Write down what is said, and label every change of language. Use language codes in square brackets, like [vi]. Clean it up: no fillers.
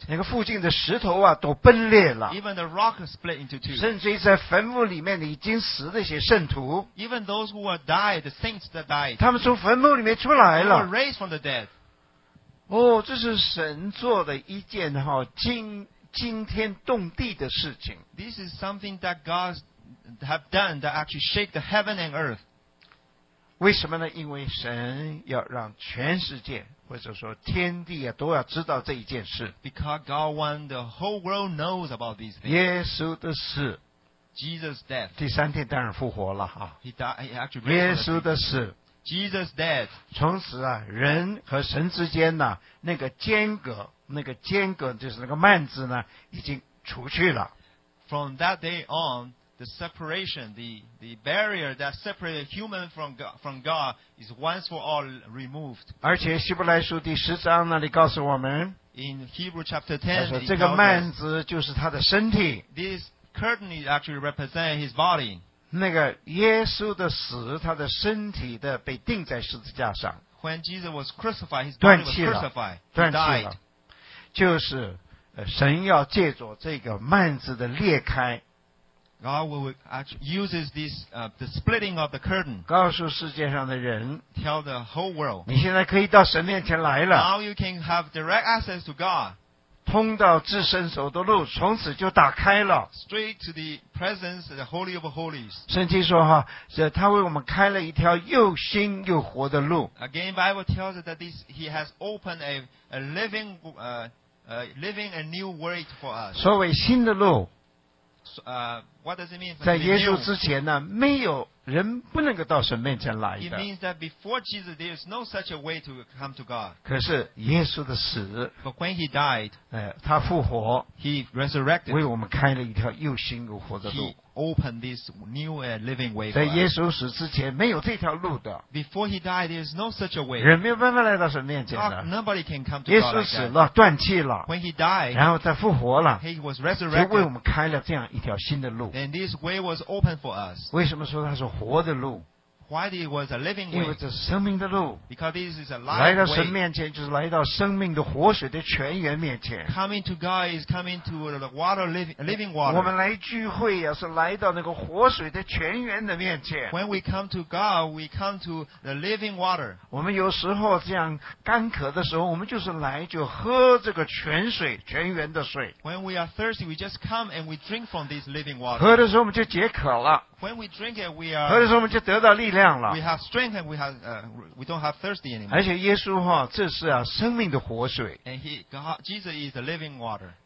[zh] 那个附近的石头啊都崩裂了 [en] even the rock split into two, [zh] 甚至在坟墓里面的已经死的一些圣徒 [en] even those who were died, the saints that died, [zh] 他们从坟墓里面出来了 [en] were raised from the dead. [zh] 哦，这是神做的一件惊天动地的事情 [en] This is something that God have done that actually shake the heaven and earth. [zh] 为什么呢？因为神要让全世界或者说天地啊都要知道这一件事。 [en] Because God wants the whole world knows about these things. [zh] 耶稣的死 [en] ，Jesus' death. [zh] 第三天当然复活了哈。 [en] He died. He actually. [zh] 耶稣的死 [en] ，Jesus' death. [zh] 从此啊，人和神之间呢、啊，那个间隔就是那个幔子呢，已经除去了。 [en] From that day on. The separation, the barrier that separated human from God is once for all removed. [zh] 而且希伯来书第十章那里告诉我们 [en] ，In Hebrew chapter 10, [zh] 他说这个幔子就是他的身体。 [en] This curtain is actually represent his body. [zh] 那个耶稣的死，他的身体的被钉在十字架上。 [en] When Jesus was crucified, his body was crucified. [zh] 断气了。断气了。就是神要借着这个幔子的裂开。 [en] God will actually uses this the splitting of the curtain. [zh] 告诉世界上的人 [en] ，tell the whole world. [zh] 你现在可以到神面前来了。 [en] Now you can have direct access to God. [zh] 通到至圣所的路，从此就打开了。 [en] Straight to the presence, the holy of holies. [zh] 圣经说哈，这他为我们开了一条又新又活的路。 [en] Again, Bible tells us that this He has opened a living a new way for us. [zh] 所谓新的路。 [en] What does it mean? [zh] 在耶稣之前呢，没有人不能够到神面前来的。 [en] It means that before Jesus, there is no such a way to come to God. [zh] 可是耶稣的死 [en] ，But when he died, [zh] 他复活 [en] ，He resurrected, [zh] 为我们开了一条又新又活的路。 [en] He opened this new and living way. [zh] 在耶稣死之前，没有这条路的。 [en] Before he died, there is no such a way. [zh] 人没有办法来到神面前的。 [en] Nobody can come to God. [zh] 耶稣死了，断气了 [en] ，When he died, [zh] 然后再复活了 [en] ，He was resurrected, [zh] 就为我们开了这样一条新的路。 [en] And this way was open for us. [zh] 为什么说他说？活的路 [en] ，Why it was a living way？ [zh] 因为这是生命的路 [en] ，Because this is a life way。 [zh] 来到神面前就是来到生命的活水的泉源面前。 [en] Coming to God is coming to the water, living water。 [zh] 我们来聚会呀，是来到那个活水的泉源的面前。 [en] When we come to God, we come to the living water。 [zh] 我们有时候这样干渴的时候，我们就是来就喝这个泉水，泉源的水。 [en] When we are thirsty, we just come and we drink from this living water。 [zh] 喝的时候我们就解渴了。 [en] When we drink it, we are. [zh] 喝的时候我们就得到力量了。 [en] We have strength and we don't have thirsty anymore. [zh] 而且耶稣哈，这是啊，生命的活水。 [en] And he, God, Jesus is the living water.